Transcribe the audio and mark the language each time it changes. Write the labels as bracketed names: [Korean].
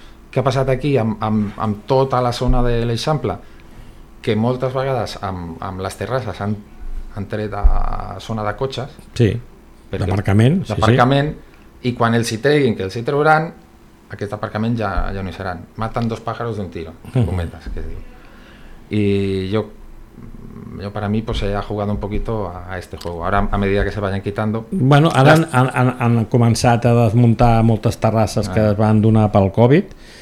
[Catalan] Què ha passat aquí amb tota la zona de l'Eixample? Que moltes vegades amb les terrasses han tret a zona de cotxes. Sí, d'aparcament. D'aparcament, sí. I quan els hi treguin, que els hi treuran, aquest aparcament ja no hi seran. [Spanish] Matan dos pájaros d'un tiro, [Catalan] comentes, que es diu. I jo per a mi, pues, ha jugat [Spanish] un poquito a este juego. Ara, a medida que se vayan quitando... [Catalan] Bueno, ara han començat a desmuntar moltes terrasses que es van donar pel Covid.